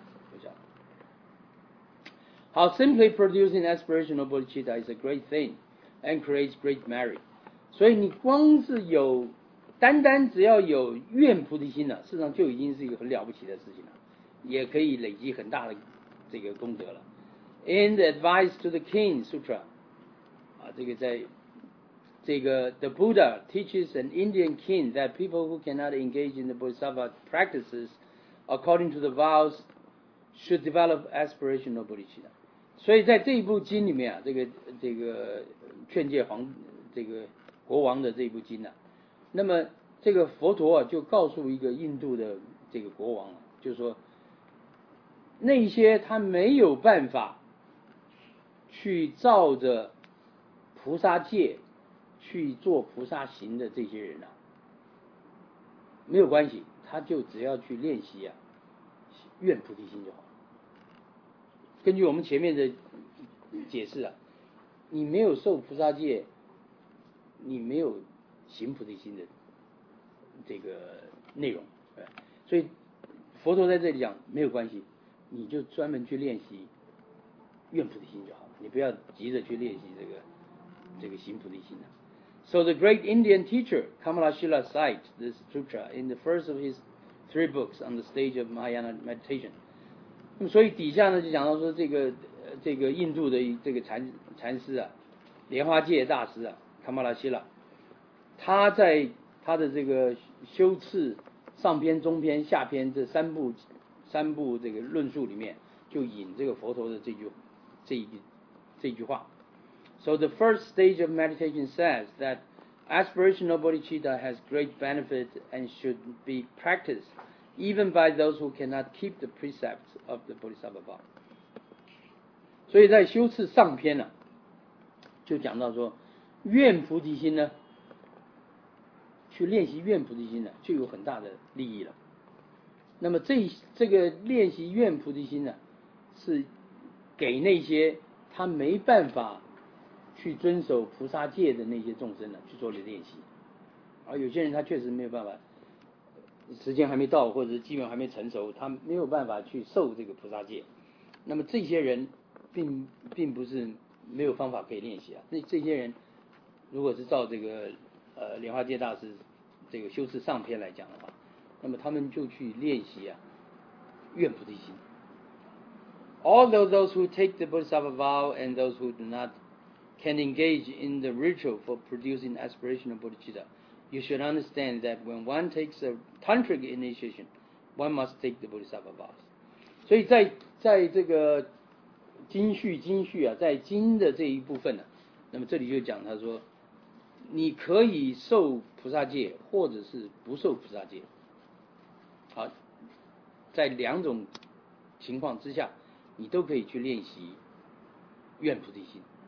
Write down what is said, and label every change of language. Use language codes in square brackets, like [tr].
[zh] 不晓得。好 [en] ，simply producing aspirational bodhicitta is a great thing. And creates great merit. [zh] 所以你光是有单单只要有愿菩提心了，事实上就已经是一个很了不起的事情了，也可以累积很大的这个功德了。 [en] In the advice to the king sutra, [zh] 啊，这个在这个 [en] the Buddha teaches an Indian king that people who cannot engage in the bodhisattva practices according to the vows should develop aspirational bodhicitta. [zh] 所以在这一部经里面啊，这个劝诫皇这个国王的这一部经呢、啊，那么这个佛陀啊就告诉一个印度的这个国王、啊，就是说那些他没有办法去照着菩萨戒去做菩萨行的这些人呢、啊，没有关系，他就只要去练习啊，愿菩提心就好。根据我们前面的解释啊。你没有受菩萨戒，你没有行菩提心的这个内容，所以佛陀在这里讲没有关系，你就专门去练习愿菩提心就好了，你不要急着去练习这个行菩提心的。 [en] So the great Indian teacher Kamalashila cites this sutra in the first of his three books on the stage of Mahayana meditation. [zh] 那么所以底下呢就讲到说这个印度的这个禅师啊，莲花界大师啊，卡马拉希拉，他在他的这个修次上篇、中篇、下篇这三部这个论述里面，就引这个佛陀的这句话。 [en] So the first stage of meditation says that aspirational bodhicitta has great benefit and should be practiced even by those who cannot keep the precepts of the bodhisattva vow。 [zh] 所以在修次上篇呢、啊。就讲到说愿菩提心呢，去练习愿菩提心呢就有很大的利益了。那么这个练习愿菩提心呢，是给那些他没办法去遵守菩萨戒的那些众生呢去做的练习，而有些人他确实没有办法，时间还没到或者机缘还没成熟，他没有办法去受这个菩萨戒，那么这些人并不是没有方法可以练习啊。那这些人如果是照这个莲花界大师这个修持上篇来讲的话，那么他们就去练习啊愿菩提心。 [en] Although those who take the bodhisattva vow and those who do not can engage in the ritual for producing aspirational bodhicitta, you should understand that when one takes a tantric initiation, one must take the bodhisattva vows. [zh] 所以在这个经序啊，在经的这一部分呢、啊，那么这里就讲他说，你可以受菩萨戒，或者是不受菩萨戒。好，在两种情况之下，你都可以去练习愿菩提心。